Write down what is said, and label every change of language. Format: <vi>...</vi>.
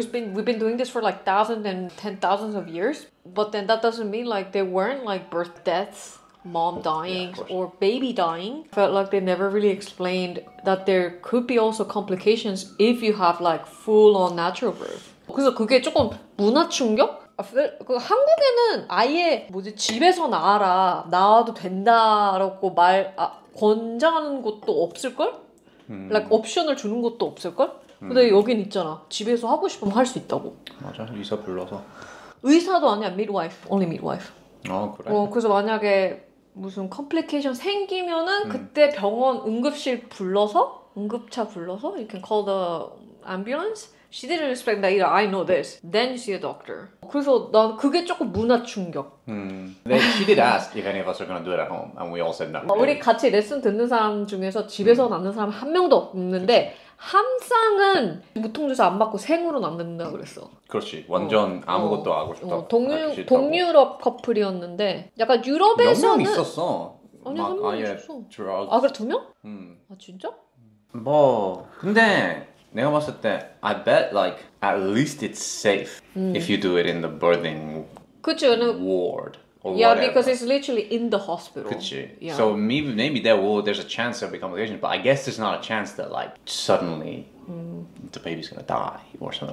<en>we've been doing this for like thousands and ten thousands of years. But then that doesn't mean like there weren't like birth deaths, mom dying, yeah, or baby dying. Felt like they never really explained that there could be also complications if you have like full on natural birth.</en> <ko>그래서 그게 조금 문화 충격? 그 한국에는 아예 뭐지 집에서 나와라 나와도 된다라고 말 아, 권장하는 곳도 없을걸? Like 옵션을 주는 것도 없을걸? 근데 여긴 있잖아 집에서 하고 싶으면 할 수 있다고 맞아 의사 불러서 의사도 아니야</ko> <en>midwife only midwife</en> <ko>아 그래? 어, 그래서 만약에 무슨 complication 생기면은 그때 병원 응급실 불러서 응급차 불러서</ko> <en>you can call the ambulance She didn't expect that either. I know this. Then you see a doctor.</en> <ko>그래서 난 그게 조금 문화 충격.</ko> <en>Then she did ask if any of us are gonna do it at home. And we all said no.</en> <ko>우리 같이 레슨 듣는 사람 중에서 집에서 낳는 사람 한 명도 없는데 함상은 무통주사 안 맞고 생으로 낳는다 그랬어. 그렇지. 완전 어. 아무것도 하고 싶다. 동유럽 커플이었는데 약간 유럽에서는 몇 명 있었어. 아니 한 명 있었어. 아 그래 두 명? 아 진짜? 뭐 근데 내가 봤을 때,</ko> <en>I bet like at least it's safe if you do it in the birthing 그치, ward or yeah, whatever. Yeah, because it's literally in the hospital.</en> <ko>그치.</ko> <en>Yeah. So maybe there will there's a chance there'll be complications, but I guess there's not a chance that like suddenly the baby's gonna die or something.</en>